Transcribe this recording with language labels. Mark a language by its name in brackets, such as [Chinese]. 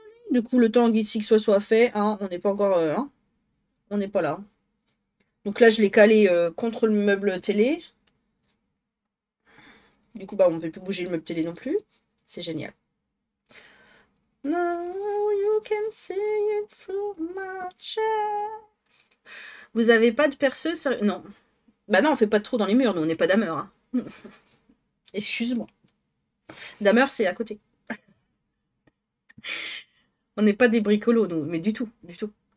[French] Du coup, le temps que ce soit fait, hein, on n'est pas encore. Hein, on n'est pas là. Donc là, je l'ai calé contre le meuble télé. Du coup, bah on ne peut plus bouger le meuble télé non plus. C'est génial. [English] No, you can see it through my chest. [French] Vous avez pas de perceuse sur... Non. Bah non, on fait pas de trous dans les murs, nous on n'est pas Dahmer. Hein. Excuse-moi. Dahmer, c'est à côté. On n'est pas des bricolos, nous, mais du tout, du tout.